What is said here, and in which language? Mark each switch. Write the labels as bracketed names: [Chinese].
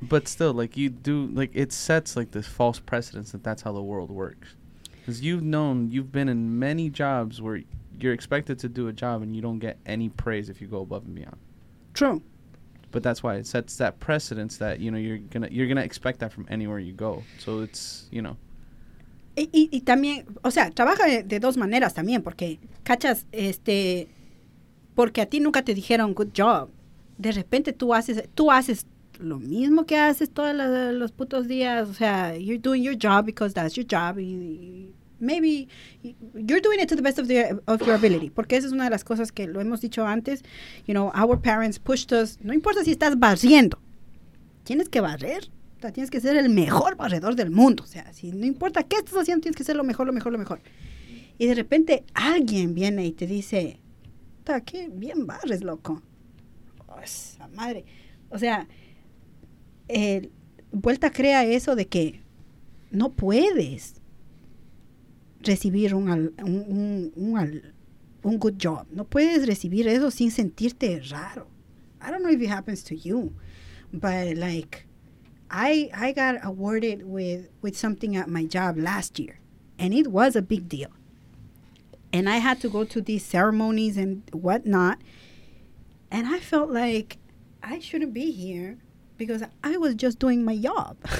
[English] But still, like, you do, like, it sets, like, this false precedence that that's how the world works. Because you've been in many jobs where you're expected to do a job and you don't get any praise if you go above and beyond. True. But that's why it sets that precedence that, you know, you're gonna expect that from anywhere you go. So it's, you know. [Spanish] Y también, o sea, trabaja de dos maneras también, porque, cachas, porque a ti nunca te dijeron [English] good job. [Spanish] De repente tú haces lo mismo que haces todos los putos días, o sea, [English] you're doing your job [Spanish] because that's your job. Y [English] maybe you're doing it to the best of your ability, [Spanish] porque esa es una de las cosas que lo hemos dicho antes, [English] you know, our parents pushed us, [Spanish] no importa si estás barriendo, tienes que barrer. O sea, tienes que ser el mejor barredor del mundo. O sea, si no importa qué estás haciendo, tienes que ser lo mejor. Y de repente alguien viene y te dice, está aquí, bien barres, loco. Oh, esa madre. O sea, vuelta crea eso de que no puedes recibir un [English] good job. [Spanish] No puedes recibir eso sin sentirte raro. [English] I don't know if it happens to you, but like I got awarded with something at my job last year, and it was a big deal. And I had to go to these ceremonies and whatnot, and I felt like I shouldn't be here because I was just doing my job.